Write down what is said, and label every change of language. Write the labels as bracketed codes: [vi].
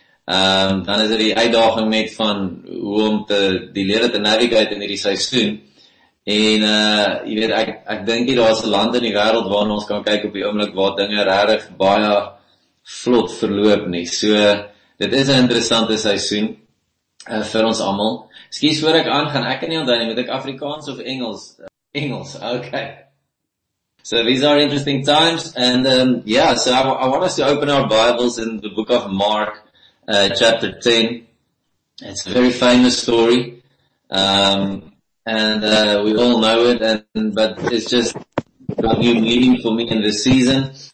[af] Dan is dit die uitdaging net van hoe om die lewe te navigate in hierdie seisoen. En ek dink jy daar's 'n land in die wêreld waarna ons kan kyk op die oomblik waar dinge regtig baie vlot verloop nie. So dit is 'n interessante seisoen vir ons almal. Skielik voor ek aangaan, ek kan nie onthou nie, moet ek Afrikaans of Engels? Engels. Okay. [en] So these are interesting times and so I want us to open our Bibles in the book of Mark chapter 10. It's a very famous story. We all know it, but it's just got new meaning for me in this season.